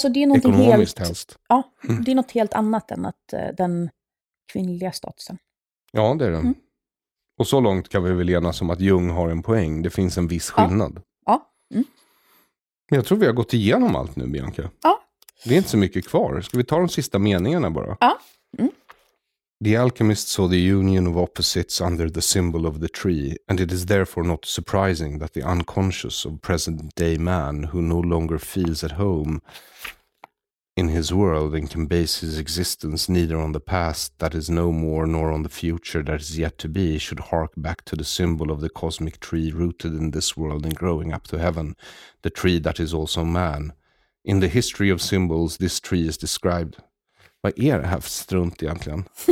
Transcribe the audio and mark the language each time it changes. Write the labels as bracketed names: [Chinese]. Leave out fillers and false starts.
[Swedish] Alltså det är något ekonomiskt helt, helst. Ja, det är något helt annat än att den kvinnliga statusen. Ja, det är det. Och så långt kan vi väl enas som att Jung har en poäng. Det finns en viss skillnad. Ja. Jag tror vi har gått igenom allt nu, Bianca. Ja. Det är inte så mycket kvar. Ska vi ta de sista meningarna bara? Ja. [English] The alchemist saw the union of opposites under the symbol of the tree, and it is therefore not surprising that the unconscious of present-day man, who no longer feels at home in his world and can base his existence neither on the past that is no more nor on the future that is yet to be, should hark back to the symbol of the cosmic tree rooted in this world and growing up to heaven, the tree that is also man. In the history of symbols, this tree is described. [Swedish] Vad är det här strunt egentligen?